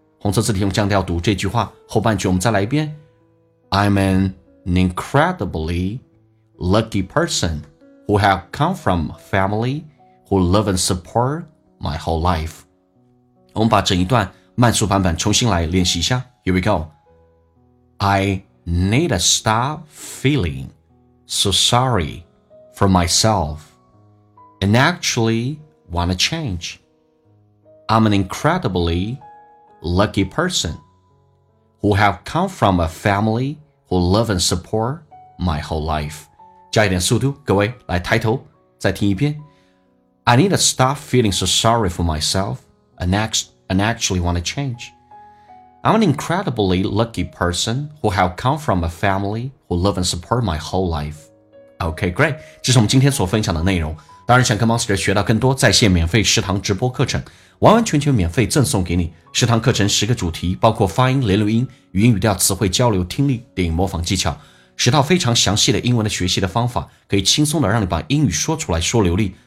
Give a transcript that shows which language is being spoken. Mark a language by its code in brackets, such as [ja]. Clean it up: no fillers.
[zh] 红色字体用降调读这句话，后半句我们再来一遍。 [en] I'm an incredibly lucky person who have come from family who love and support my whole life。 [zh] 我们把整一段慢速版本重新来练习一下。 [en] Here we go。 I need to stop feelingSo sorry for myself and actually want to change. I'm an incredibly lucky person who have come from a family who love and support my whole life. [zh] 加一点速度，各位来抬头再听一遍。 [en] I need to stop feeling so sorry for myself and actually want to change. I'm an incredibly lucky person who have come from a family who love and support my whole life. Okay, great. [zh] 这是我们今天所分享的内容。当然想跟 Monster 学到更多在线免费食堂直播课程，完完全全免费赠送给你。食堂课程10个主题，包括发音、连录音、语音语调、词汇交流、听力、电影模仿技巧，10套非常详细的英文的学习的方法，可以轻松的让你把英语说出来说流利。